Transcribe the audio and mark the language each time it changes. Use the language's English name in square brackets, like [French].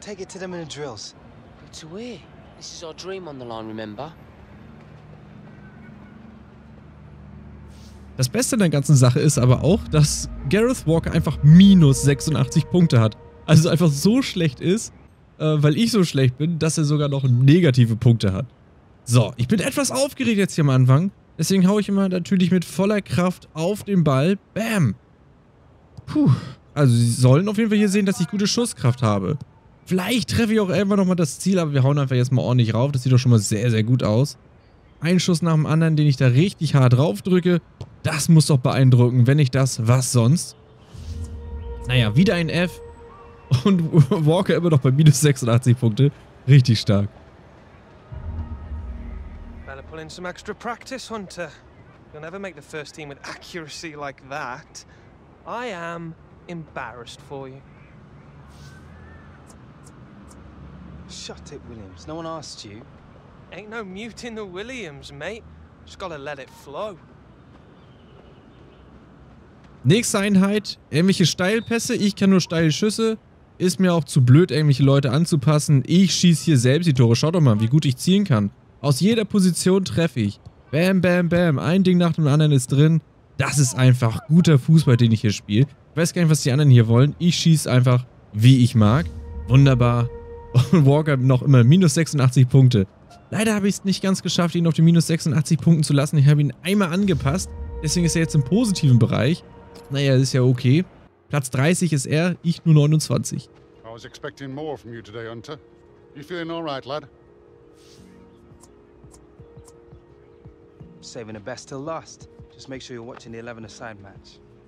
[English] Take it to them in the drills. But to where? This is our dream on the line, remember? [German] Das Beste an der ganzen Sache ist aber auch, dass Gareth Walker einfach minus 86 Punkte hat. Also einfach so schlecht ist, weil ich so schlecht bin, dass er sogar noch negative Punkte hat. So, ich bin etwas aufgeregt jetzt hier am Anfang. Deswegen haue ich immer natürlich mit voller Kraft auf den Ball. Bam! Puh. Also sie sollen auf jeden Fall hier sehen, dass ich gute Schusskraft habe. Vielleicht treffe ich auch irgendwann nochmal das Ziel, aber wir hauen einfach jetzt mal ordentlich rauf. Das sieht doch schon mal sehr, sehr gut aus. Ein Schuss nach dem anderen, den ich da richtig hart drauf drücke. Das muss doch beeindrucken. Wenn nicht das, was sonst? Naja, wieder ein F. Und Walker immer noch bei minus 86 Punkte. Richtig stark. [English] In some extra practice, Hunter. You'll never make the first team with accuracy like that. I am embarrassed for you. Shut it, Williams. No one asked you. Ain't no mute in the Williams, mate. Just gotta let it flow. [German] Nächste Einheit. Irgendwelche Steilpässe. Ich kann nur steile Schüsse. Ist mir auch zu blöd, irgendwelche Leute anzupassen. Ich schieße hier selbst die Tore. Schaut doch mal, wie gut ich zielen kann. Aus jeder Position treffe ich. Bam, bam, bam. Ein Ding nach dem anderen ist drin. Das ist einfach guter Fußball, den ich hier spiele. Ich weiß gar nicht, was die anderen hier wollen. Ich schieße einfach, wie ich mag. Wunderbar. Und Walker noch immer minus 86 Punkte. Leider habe ich es nicht ganz geschafft, ihn auf die minus 86 Punkten zu lassen. Ich habe ihn einmal angepasst. Deswegen ist er jetzt im positiven Bereich. Naja, ist ja okay. Platz 30 ist er, ich nur 29. [English] I was expecting more from you today, Hunter. You feeling all right, lad? Saving the best till last. Just make sure you're watching the 11-a-side match.